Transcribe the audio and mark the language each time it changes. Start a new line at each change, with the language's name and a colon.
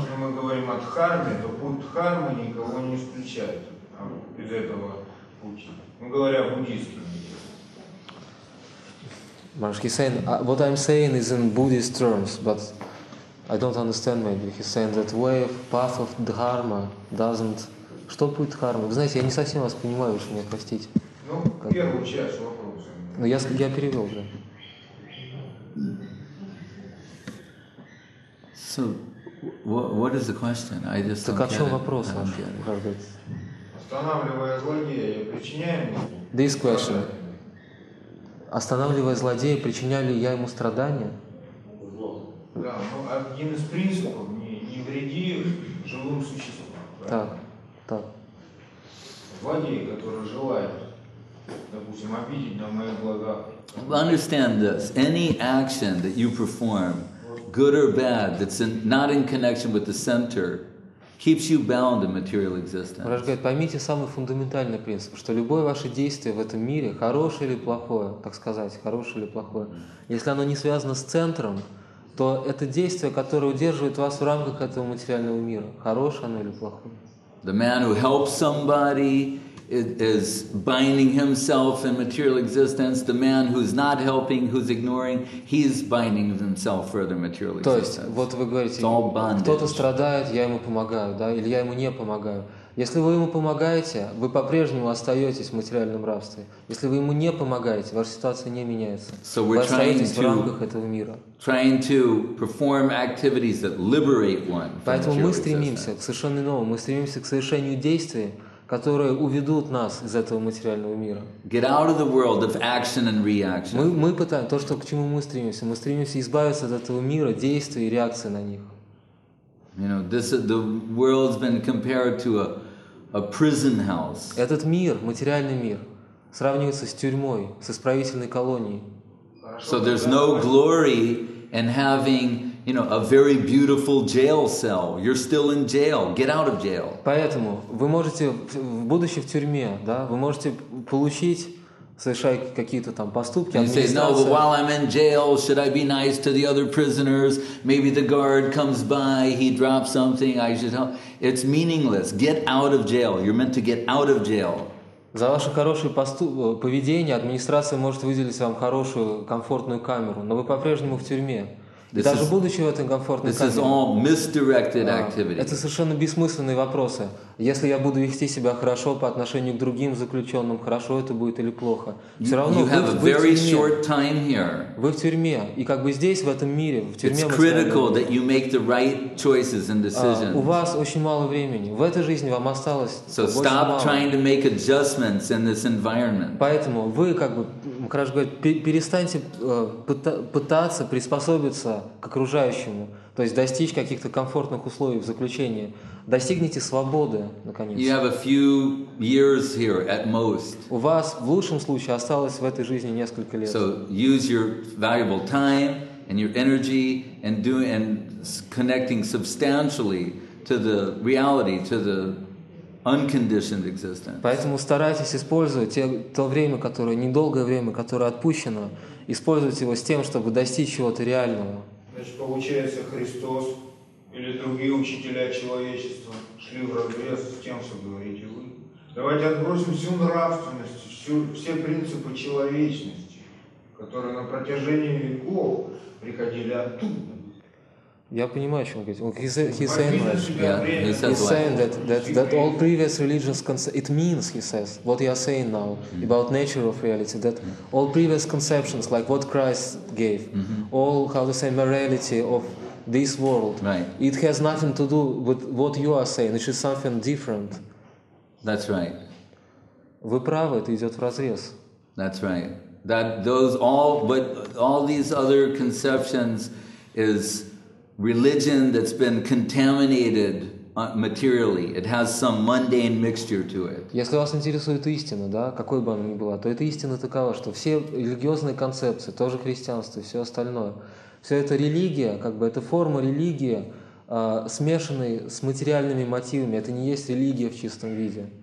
Russian: Если мы говорим о дхарме, то путь дхармы никого не исключает из этого пути. Мы говорим о буддийском.
English: Маршки saying, what I'm saying is in Buddhist terms, but I don't understand maybe. He's saying that way of path of dharma doesn't...
Russian: Что путь дхармы? Вы знаете, я не совсем вас понимаю, уж меня простите. Ну, как... первую часть вопроса. Ну, я перевел, да.
English: So... What is the question? I just
Russian: так
English: don't
Russian: о чем вопрос вообще? Останавливая злодея, причиняем ему?
English: This question.
Russian: Останавливая злодея, причиняли я ему страдания? Да, но один из принципов не вреди живым существам. Так, так. Злодей, который желает, допустим, обидеть на мои блага.
English: Understand this. Any action that you perform, good or bad, that's not in connection with the center, keeps you bound in material existence.
Russian: Мараш говорит, поймите самый фундаментальный принцип, что любое ваше действие в этом мире, хорошее или плохое, так сказать, хорошее или плохое, если оно не связано с центром, то это действие, которое удерживает вас в рамках этого материального мира, хорошее оно или плохое.
English: The man who helps somebody is binding himself in material existence. The man who's not helping, who's ignoring, he's binding himself further material existence.
Russian: То есть, вот вы говорите, кто-то страдает, я ему помогаю, да, или я ему не помогаю. Если вы ему помогаете, вы по-прежнему остаетесь в материальном рабстве. Если вы ему не помогаете, ваша ситуация не меняется.
English: So we're
Russian: вы остаетесь в рамках этого мира.
English: Trying to perform activities that liberate one.
Russian: Поэтому мы стремимся к совершенно иному. Мы стремимся к совершению действий, которые уведут нас из этого материального мира.
English: Get out of the world of action and reaction.
Russian: Мы пытаемся, то, что, к чему мы стремимся избавиться от этого мира, действий и реакции на них.
English: You know, the world's been compared to a prison house.
Russian: Этот мир, материальный мир, сравнивается с тюрьмой, с исправительной колонией.
English: So there's no glory in having, you know, a very beautiful jail cell. You're still in jail. Get out of jail.
Russian: Поэтому вы можете, будучи в тюрьме, да, вы можете получить совершаю какие-то там поступки.
English: And say, no, but while I'm in jail, should I be nice to the other prisoners? Maybe the guard comes by, he drops something, I should help. It's meaningless. Get out of jail. You're meant to get out of jail.
Russian: За ваше хорошее поведение администрация может выделить вам хорошую комфортную камеру, но вы по-прежнему в тюрьме. И даже будучи в этой комфортной камере.
English: This is all misdirected activity.
Russian: Это совершенно бессмысленные вопросы. Если я буду вести себя хорошо по отношению к другим заключенным, хорошо это будет или плохо? Все равно
English: you have
Russian: вы
English: a very short time here.
Russian: Вы в тюрьме, и как бы здесь в этом мире, в тюрьме.
English: It's critical that you make the right choices and decisions.
Russian: У вас очень мало времени. В этой жизни вам осталось.
English: So stop trying to make adjustments in this environment.
Russian: Поэтому вы как бы, Макраш говорит, перестаньте пытаться приспособиться к окружающему, то есть достичь каких-то комфортных условий в заключении. Достигните свободы, наконец.
English: You have a few years here at most.
Russian: У вас в лучшем случае осталось в этой жизни несколько лет.
English: So use your valuable time and your energy and doing and connecting substantially to the reality, to the unconditioned existence.
Russian: Поэтому старайтесь использовать то время, которое недолгое время, которое отпущено, использовать его с тем, чтобы достичь чего-то реального. Значит, получается, Христос или другие учителя человечества шли в разрез с тем, что говорите вы. Давайте отбросим всю нравственность, все принципы человечности, которые на протяжении веков приходили оттуда. Я понимаю, о чем он говорит.
English: He's saying that all previous religious concepts, it means, he says, what you are saying now about nature of reality, that all previous conceptions, like what Christ gave, all, how to say, morality of this world, it has nothing to do with what you are saying, it is something different. That's right.
Russian: Вы правы, это идет вразрез.
English: That's right. That those all, but all these other conceptions is religion that's been contaminated materially. It has some mundane mixture to it.
Russian: Если вас интересует истина, да, какой бы она ни была, то эта истина такова, что все религиозные концепции, тоже христианство и все остальное, все это религия, как бы это форма религии, смешанной с материальными мотивами. Это не есть религия в чистом виде.